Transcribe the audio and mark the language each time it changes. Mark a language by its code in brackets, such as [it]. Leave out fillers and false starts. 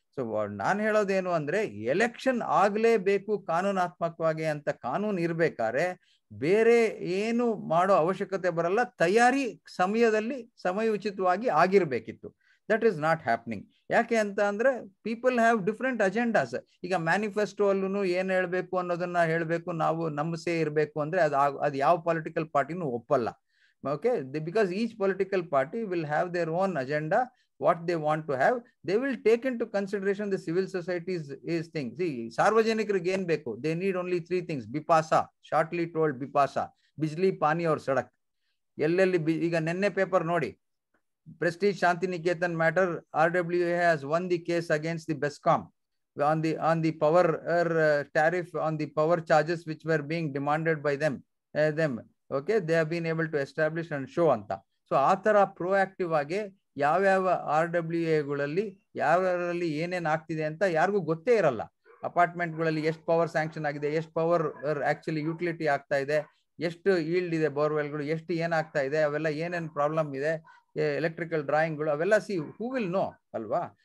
[kn] So ನಾನು ಹೇಳೋದೇನು ಅಂದರೆ, ಎಲೆಕ್ಷನ್ ಆಗಲೇಬೇಕು ಕಾನೂನಾತ್ಮಕವಾಗಿ ಅಂತ ಕಾನೂನು ಇರಬೇಕಾದ್ರೆ ಬೇರೆ ಏನು ಮಾಡೋ ಅವಶ್ಯಕತೆ ಬರಲ್ಲ, ತಯಾರಿ ಸಮಯದಲ್ಲಿ ಸಮಯೋಚಿತವಾಗಿ ಆಗಿರಬೇಕಿತ್ತು. [en] That is not happening. [kn] ಯಾಕೆ ಅಂತ ಅಂದರೆ [en] People have different agendas. [kn] ಈಗ ಮ್ಯಾನಿಫೆಸ್ಟೋ ಅಲ್ಲೂ ಏನು ಹೇಳಬೇಕು ಅನ್ನೋದನ್ನು ಹೇಳಬೇಕು, ನಾವು ನಮ್ಮಸೇ ಇರಬೇಕು ಅಂದರೆ ಅದು ಯಾವ ಪೊಲಿಟಿಕಲ್ ಪಾರ್ಟಿನೂ ಒಪ್ಪಲ್ಲ. [en] Okay, because each political party will have their own agenda. What they want to have, they will take into consideration the civil society's thing. See, [kn] sarvajanikar gain beko, [en] they need only three things. Bipasa, shortly told Bipasa, [hi] bijli, pani aur sadak. [kn] Ellelli iga nenne paper nodi, [en] Prestige Shantiniketan matter, RWA has won the case against the Bescom on the power tariff, on the power charges which were being demanded by them. Okay, they have been able to establish and show anta. [kn] So athara proactive aage ಯಾವ್ಯಾವ R W ಎಗಳಲ್ಲಿ ಯಾರಲ್ಲಿ ಏನೇನು ಆಗ್ತಿದೆ ಅಂತ ಯಾರಿಗೂ ಗೊತ್ತೇ ಇರಲ್ಲ. ಅಪಾರ್ಟ್ಮೆಂಟ್ಗಳಲ್ಲಿ ಎಷ್ಟು power sanction ಆಗಿದೆ, ಎಷ್ಟು ಪವರ್ ಆ್ಯಕ್ಚುಲಿ ಯುಟಿಲಿಟಿ ಆಗ್ತಾ ಇದೆ, ಎಷ್ಟು ಈಲ್ಡ್ ಇದೆ ಬೋರ್ವೆಲ್ಗಳು, ಎಷ್ಟು ಏನಾಗ್ತಾ ಇದೆ, ಅವೆಲ್ಲ ಏನೇನು ಪ್ರಾಬ್ಲಮ್ ಇದೆ, ಎಲೆಕ್ಟ್ರಿಕಲ್ ಡ್ರಾಯಿಂಗ್ಗಳು ಅವೆಲ್ಲ [en] see who will know [kn] ಅಲ್ವಾ.